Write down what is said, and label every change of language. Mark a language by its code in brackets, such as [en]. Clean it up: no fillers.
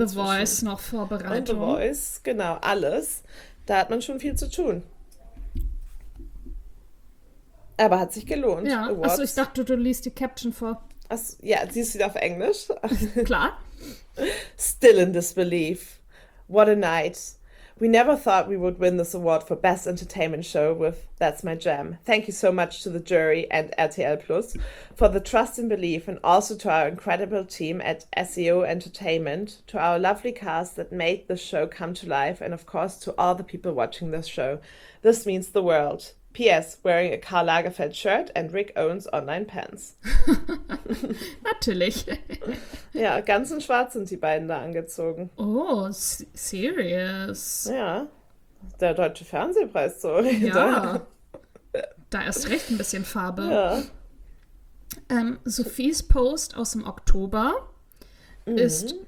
[de] Und The Voice zwischen. Noch Vorbereitung. Und The Voice, genau, alles. Da hat man schon viel zu tun. Aber hat sich gelohnt. Ja. Achso, ich dachte, du liest die Caption vor. Achso, ja, sie ist wieder auf Englisch. Klar. [en] Still in disbelief. What a night. We never thought we would win this award for Best Entertainment Show with That's My Jam. Thank you so much to the jury and RTL Plus for the trust and belief and also to our incredible team at SEO Entertainment, to our lovely cast that made this show come to life and of course to all the people watching this show. This means the world. P.S. wearing a Karl Lagerfeld shirt and Rick Owens online pants. [de] Natürlich. Ja, ganz in schwarz sind die beiden da angezogen. [en] Oh, serious. [de] Ja, der deutsche Fernsehpreis so. Ja, da erst recht ein bisschen Farbe. Ja. Sophies Post aus dem Oktober ist...